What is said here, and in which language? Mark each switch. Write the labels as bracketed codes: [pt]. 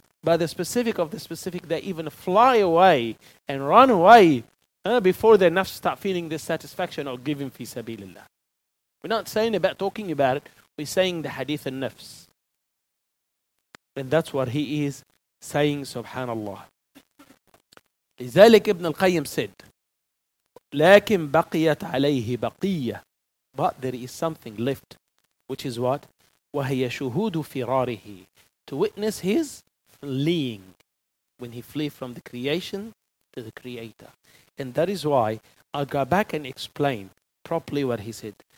[en] By the specific of the specific, they even fly away and run away before their nafs start feeling the satisfaction of giving fi sabilillah. We're not saying about talking about it. We're saying the hadith and nafs. And that's what he is saying, subhanallah. [ar] لذلك ابن القيم said, لكن بقيت عليه بقية. [en] But there is something left, which is what? [ar] وَهِيَ شُهُودُ فِرَارِهِ. [en] To witness his fleeing, when he flee from the creation to the creator. And that is why I'll go back and explain properly what he said.